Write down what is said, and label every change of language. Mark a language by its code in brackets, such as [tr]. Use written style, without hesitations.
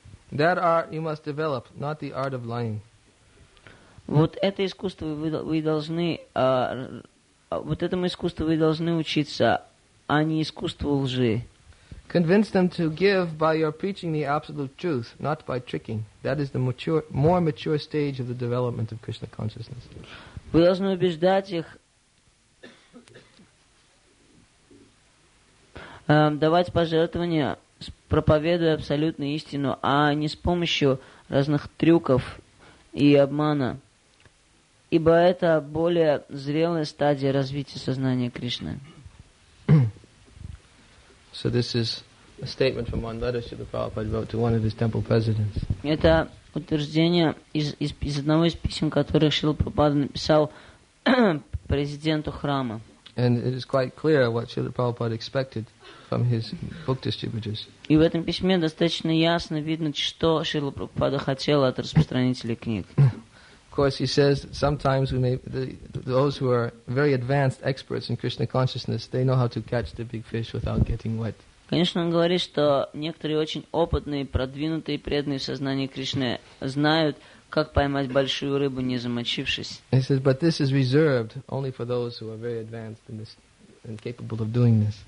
[en] That art you must develop, not the art of lying. [ru] Вот это искусство вы должны, вот этому искусству вы должны учиться, а не искусству лжи. [en] Convince them to give by your preaching the absolute truth, not by tricking. That is the more mature stage of the development of Krishna consciousness. [ru] Вы должны убеждать их давать пожертвования, проповедуя абсолютную истину, а не с помощью разных трюков и обмана. Ибо это более зрелая стадия развития сознания Кришны. [en] So this is a statement from one letter Srila Prabhupada wrote to one of his temple presidents. [ru] Это утверждение из одного из писем, которых Шрила Прабхупада написал президенту храма. [en] And it is quite clear what Srila Prabhupada expected from his book distributors. [ru] И в этом письме достаточно ясно видно, что Шрила Прабхупада хотел от распространителей книг. [en] Of course, he says sometimes we may those who are very advanced experts in Krishna consciousness, they know how to catch the big fish without getting wet. [ru] Конечно, он говорит, что некоторые очень опытные, продвинутые, преданные в сознании Кришны знают, как поймать большую рыбу, не замочившись. [en] He says, but this is reserved only for those who are very advanced in this and capable of doing this.